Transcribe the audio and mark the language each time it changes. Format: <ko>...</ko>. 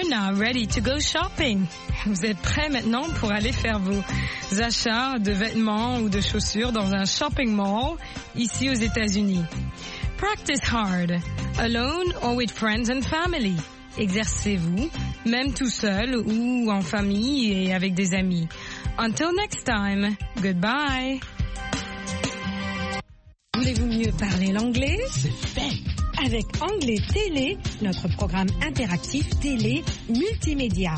<en>Ready to go shopping.</en> <fr>Vous êtes prêt maintenant pour aller faire vos achats de vêtements ou de chaussures dans un shopping mall ici aux États-Unis.</fr> <en>Practice hard, alone or with friends and family.</en> <fr>Exercez-vous, même tout seul ou en famille et avec des amis.</fr> <en>Until next time, goodbye.</en> <fr>Voulez-vous mieux parler l'anglais? C'est fait! Avec Anglais Télé, notre programme interactif télé multimédia.</fr>